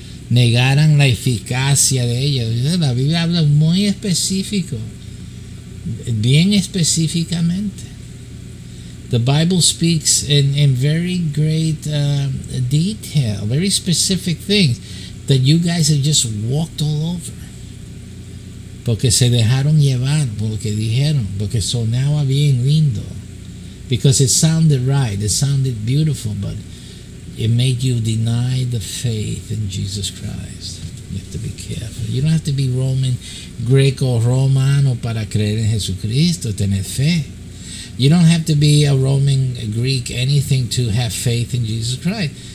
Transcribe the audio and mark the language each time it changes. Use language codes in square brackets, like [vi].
[es] Negaran la eficacia de ellos. La Biblia habla muy específico. Bien específicamente. [en] The Bible speaks in very great detail, very specific things that you guys have just walked all over. [es] Porque se dejaron llevar por lo que dijeron, porque sonaba bien lindo. [en] Because it sounded right, it sounded beautiful, but it made you deny the faith in Jesus Christ. You have to be careful. You don't have to be Roman, [es] Greco, Romano para creer en Jesucristo, tener fe. [en] You don't have to be a Roman, a Greek, anything to have faith in Jesus Christ.